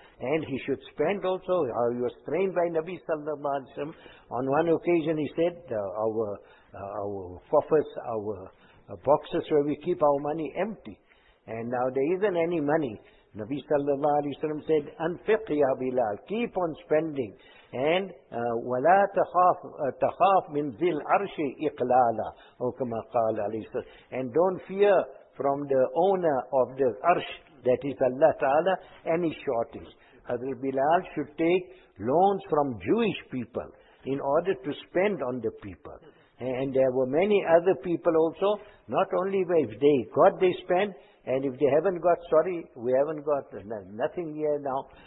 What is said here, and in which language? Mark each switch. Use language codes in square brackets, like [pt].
[en] And he should spend also. He was trained by Nabi sallallahu alayhi wa sallam. On one occasion he said, our coffers, our boxes where we keep our money empty. And now there isn't any money. Nabi sallallahu alayhi wa sallam said, Anfiq ya Bilal, keep on spending. [ar] And, وَلَا تَخَافْ مِنْ ذِي الْعَرْشِ إِقْلَالًا أو كما قال عليه الصلاة. [en] And don't fear from the owner of the arsh, that is Allah Ta'ala, any shortage. Hazrat Bilal should take loans from Jewish people in order to spend on the people. And there were many other people also, not only if they got, they spent, and if they haven't got, sorry, we haven't got nothing here now.